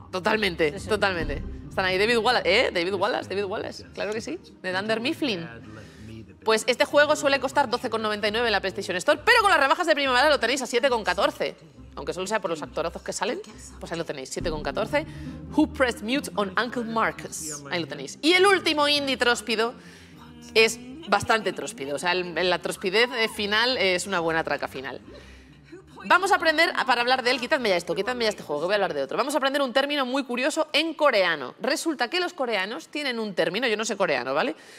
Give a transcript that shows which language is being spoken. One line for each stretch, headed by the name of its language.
Spanish: Totalmente, sí, sí. Totalmente. Están ahí David Wallace, ¿eh? David Wallace, claro que sí. De Dunder Mifflin. Pues este juego suele costar 12,99 en la PlayStation Store, pero con las rebajas de primavera lo tenéis a 7,14. Aunque solo sea por los actorazos que salen, pues ahí lo tenéis, 7,14.
English: Who pressed mute on Uncle Marcus?
Spanish: Ahí lo tenéis. Y el último indie tróspido es bastante tróspido. O sea, la tróspidez final es una buena traca final. Vamos a aprender, para hablar de él, quítadme ya este juego, que voy a hablar de otro. Vamos a aprender un término muy curioso en coreano. Resulta que los coreanos tienen un término, yo no sé coreano, ¿vale?